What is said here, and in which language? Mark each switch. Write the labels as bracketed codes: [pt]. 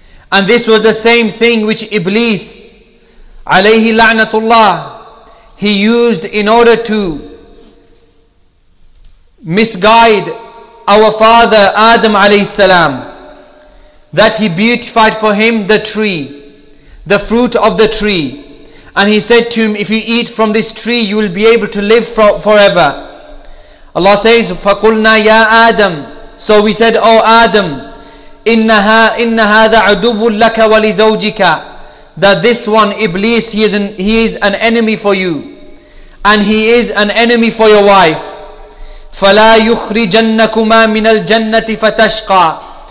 [en] And this was the same thing which Iblis, alayhi la'natullah, he used in order to misguide our father Adam alayhi salam. That he beautified for him the tree, the fruit of the tree. And he said to him, if you eat from this tree, you will be able to live forever. Allah says, [ar] فَقُلْنَا يَا آدَمْ. [en] So we said, O Adam, [ar] إِنَّ هَذَا عَدُوٌّ لَكَ وَلِزَوْجِكَ. [en] That this one, Iblis, he is an enemy for you. And he is an enemy for your wife. [ar] فَلَا يُخْرِجَنَّكُمَا مِنَ الْجَنَّةِ فَتَشْقَى.